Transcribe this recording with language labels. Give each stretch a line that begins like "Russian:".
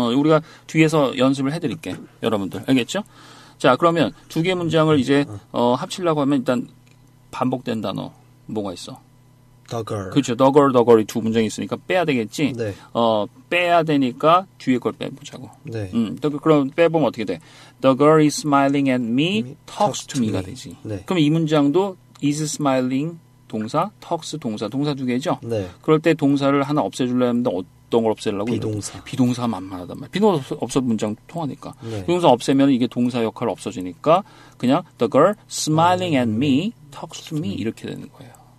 Korean: 우리가 뒤에서 연습을 해드릴게 여러분들. 알겠죠? 자 그러면 두 개 문장을 이제 합치려고 하면 일단 반복된 단어 뭐가 있어?
English: The girl.
Korean: 그렇죠. The girl, the girl이 두 문장이 있으니까 빼야 되겠지? 네. 빼야 되니까 뒤에 걸 빼보자고. 네. 그럼 빼보면 어떻게 돼?
English: The girl is smiling at me, talks to me가 되지.
Korean: 네. 그럼 이 문장도 is smiling 동사, talks 동사, 동사 두 개죠? 네. 그럴 때 동사를 하나 없애주려 하면 어떤 걸 없애려고? 비동사. 비동사 만만하단 말이야. 비동사 없어 문장 통하니까. 네. 비동사 없애면 이게 동사 역할 없어지니까 그냥
English: the girl smiling at me, talks to me
Korean: 이렇게 되는 거예요.